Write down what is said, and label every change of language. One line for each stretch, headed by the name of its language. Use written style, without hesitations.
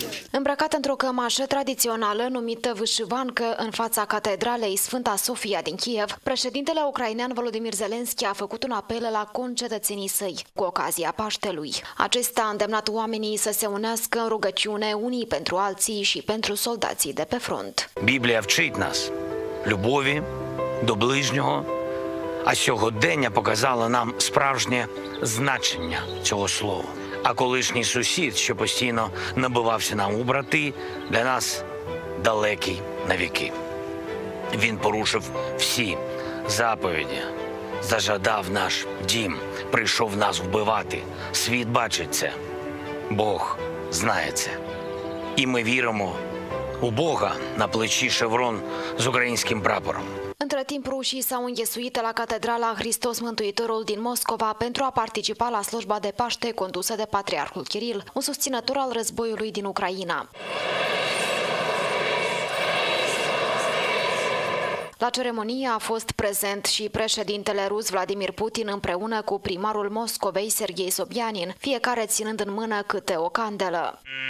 Romanian: Îmbrăcat într-o cămașă tradițională numită Vâșivancă, în fața catedralei Sfânta Sofia din Kiev, președintele ucrainean Volodymyr Zelensky a făcut un apel la concetățenii săi cu ocazia Paștelui. Acesta a îndemnat oamenii să se unească în rugăciune unii pentru alții și pentru soldații de pe front.
Ukrainian: Biblia вчить нас любові до ближнього, а сьогодення показала нам справжнє значення цього слова. А колишній сусід, що постійно набивався нам у брати, для нас далекий на віки. Він порушив всі заповіді, зажадав наш дім, прийшов нас вбивати. Світ бачить це, Бог знає це. І ми віримо у Бога на плечі шеврон з українським прапором.
Romanian: Între timp, rușii s-au înghesuit la Catedrala Hristos Mântuitorul din Moscova pentru a participa la slujba de Paște condusă de Patriarhul Kiril, un susținător al războiului din Ucraina. La ceremonie a fost prezent și președintele rus Vladimir Putin împreună cu primarul Moscovei Serghei Sobianin, fiecare ținând în mână câte o candelă.